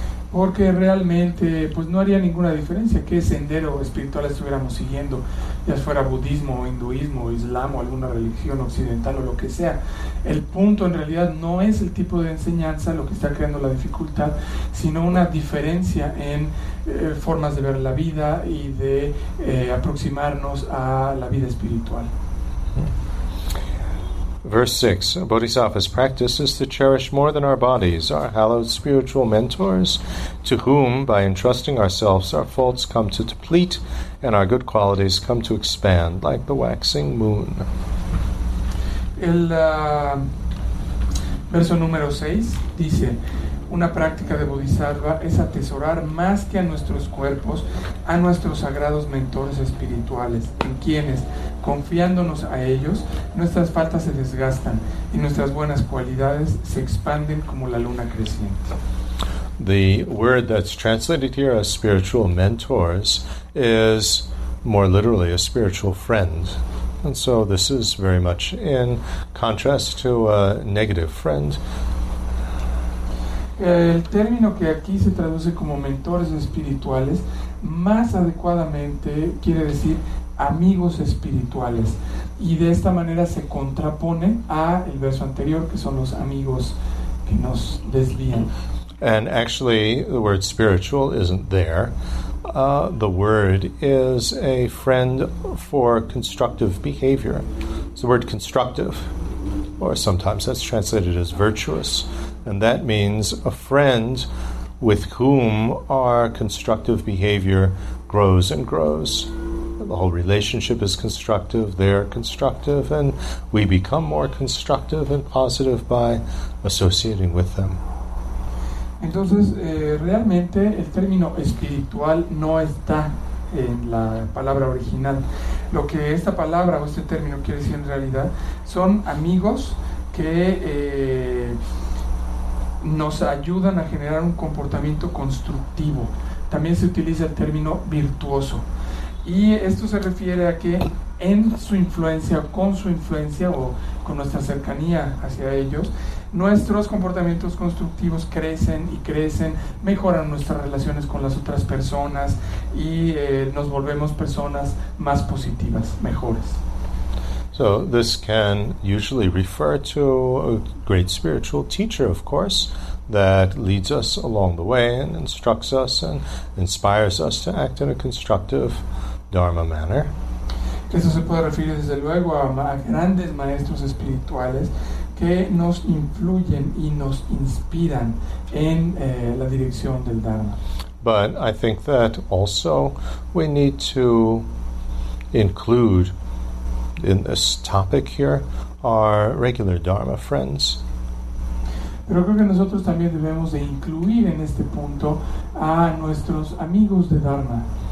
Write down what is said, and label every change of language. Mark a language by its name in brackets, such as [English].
[Spanish] Porque realmente, pues no haría ninguna diferencia qué sendero espiritual estuviéramos siguiendo, ya fuera budismo o hinduismo o islam o alguna religión occidental o lo que sea. El punto en realidad no es el tipo de enseñanza lo que está creando la dificultad, sino una diferencia en formas de ver la vida y de aproximarnos a la vida espiritual. [English] Verse 6, a bodhisattva's practice is to cherish more than our bodies, our hallowed spiritual mentors, to whom, by entrusting ourselves, our faults come to deplete and our good qualities come to expand, like the waxing moon. [Spanish] El verso número 6 dice, una práctica de bodhisattva es atesorar más que a nuestros cuerpos, a nuestros sagrados mentores espirituales, en quienes, confiándonos a ellos, nuestras faltas se desgastan y nuestras buenas cualidades se expanden como la luna creciente. [English] The word that's translated here as spiritual mentors is more literally a spiritual friend. And so this is very much in contrast to a negative friend. [Spanish] El término que aquí se traduce como mentores espirituales, más adecuadamente quiere decir amigos espirituales, y de esta manera se contrapone a el verso anterior, que son los amigos que nos desvían. [English] And actually, the word spiritual isn't there. The word is a friend for constructive behavior. It's the word constructive, or sometimes that's translated as virtuous. And that means a friend with whom our constructive behavior grows and grows. The whole relationship is constructive, they're constructive, and we become more constructive and positive by associating with them. [Spanish] Entonces, realmente el término espiritual no está en la palabra original. Lo que esta palabra o este término quiere decir en realidad son amigos que nos ayudan a generar un comportamiento constructivo. También se utiliza el término virtuoso. Y esto se refiere a que en su influencia, con su influencia o con nuestra cercanía hacia ellos, nuestros comportamientos constructivos crecen y crecen, mejoran nuestras relaciones con las otras personas y nos volvemos personas más positivas, mejores. [English] So this can usually refer to a great spiritual teacher, of course, that leads us along the way and instructs us and inspires us to act in a constructive dharma manner. [Spanish] Eso se puede referir desde luego a grandes maestros espirituales que nos influyen y nos inspiran en la dirección del dharma. [English] But I think that also we need to include in this topic here our regular dharma friends. [Spanish] Pero creo que nosotros también debemos de incluir en este punto a nuestros amigos de dharma.